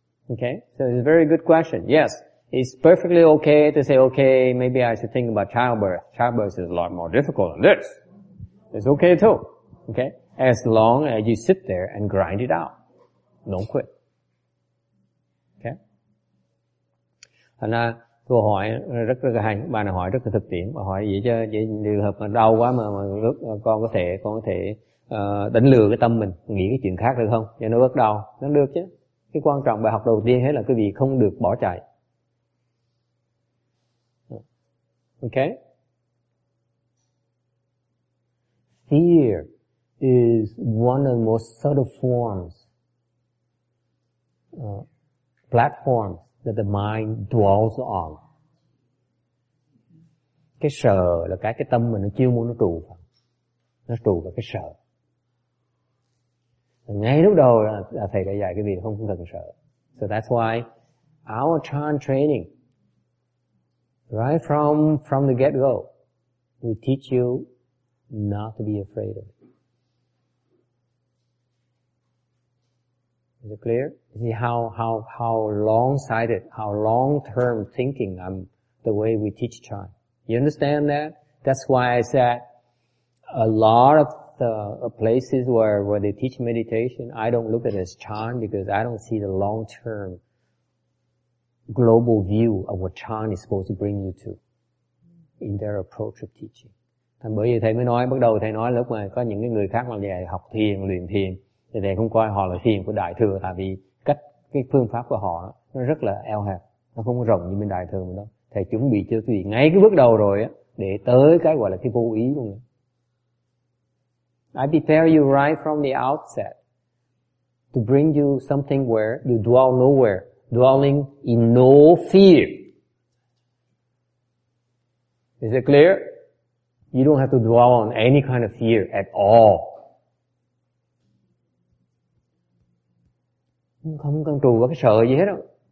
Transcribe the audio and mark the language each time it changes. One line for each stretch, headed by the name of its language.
English: Okay? So it's a very good question. Yes, it's perfectly okay to say, okay, maybe I should think about childbirth. Childbirth is a lot more difficult than this. It's okay too. Okay? As long as you sit there and grind it out. Don't quit. Okay?
Vietnamese: Thành ra, tôi hỏi rất là hành, bà này hỏi rất là thực tiễn. Bà hỏi vậy chứ, vậy trường hợp mà đau quá mà lúc con có thể đánh lừa cái tâm mình, nghĩ cái chuyện khác được không? Vậy nó bắt đầu, nó được chứ. Cái quan trọng bài học đầu tiên hết là cái gì không được bỏ chạy.
English: Okay? Fear is one of the most subtle forms platform that the mind dwells on.
Vietnamese: Cái sợ là cái tâm mình nó chiêu muốn nó trụ vào. Nó trụ vào cái sợ. Ngay lúc đầu là thầy đã dạy cái việc không cần sợ.
English: So that's why our chan training right from the get-go we teach you not to be afraid of it. Is it clear? See how long-term thinking I'm the way we teach Chan. You understand that? That's why I said a lot of the places where they teach meditation, I don't look at it as Chan because I don't see the long-term global view of what Chan is supposed to bring you to in their approach of teaching.
Vietnamese: Thành bởi vì thầy mới nói, bắt đầu thầy nói lúc mà có những cái người khác mà về học thiền, luyện thiền, thì thầy không coi họ là thiền của Đại Thừa, tại vì cách cái phương pháp của họ nó rất là eo hẹp, nó không có rộng như bên Đại Thừa mình đâu. Thầy chuẩn bị cho quý vị ngay cái bước đầu rồi á, để tới cái gọi là cái vô ý luôn.
English: I prepare you right from the outset to bring you something where you dwell nowhere, dwelling in no fear. Is it clear? You don't have to dwell on any kind of fear at all.
Vietnamese: Không cần trù vào cái sợ gì hết đâu.